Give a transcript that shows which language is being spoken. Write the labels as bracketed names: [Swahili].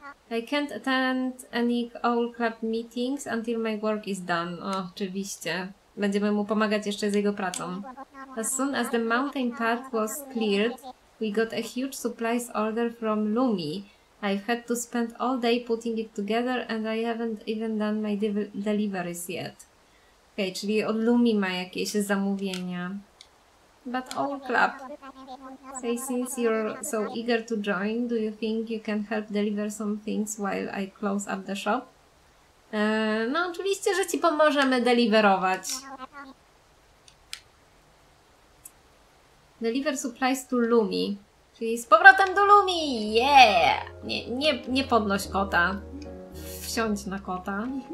[English] I can't attend any owl clap meetings until my work is done. [Polish] O, oczywiście. Będziemy mu pomagać jeszcze z jego pracą. [English] As soon as the mountain path was cleared, we got a huge supplies order from Lumi. I've had to spend all day putting it together and I haven't even done my deliveries yet. [Polish] Okej, czyli od Lumi ma jakieś zamówienia. [English] But all clap. Say, since you're so eager to join, do you think you can help deliver some things while I close up the shop? [Polish] No oczywiście, że ci pomożemy deliverować. [English] Deliver supplies to Lumi. [Polish] Czyli z powrotem do Lumi! Yeah! Nie podnoś kota. Wsiądź na kota.